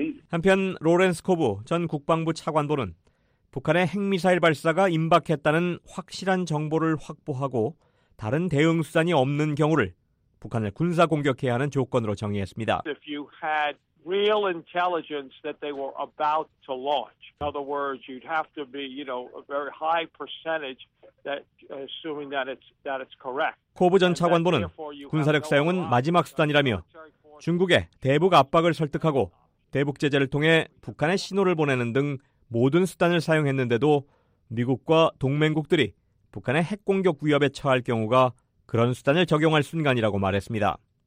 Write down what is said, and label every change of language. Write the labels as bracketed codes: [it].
[ko] 한편 로렌스 코브 전 국방부 차관보는 북한의 핵미사일 발사가 임박했다는 확실한 정보를 확보하고 다른 대응 수단이 없는 경우를 북한을 군사 공격해야 하는 조건으로 정의했습니다. [en] If you had real intelligence that they were about to launch. In other words, you'd have to be, you know, a very high percentage that assuming that it's correct. [ko] 코브 전 차관보는 군사력 사용은 마지막 수단이라며 중국에 대북 압박을 설득하고 대북 제재를 통해 북한에 신호를 보내는 등 모든 수단을 사용했는데도 미국과 동맹국들이 북한의 핵 공격 위협에 처할 경우가 그런 수단을 적용할 순간이라고 말했습니다.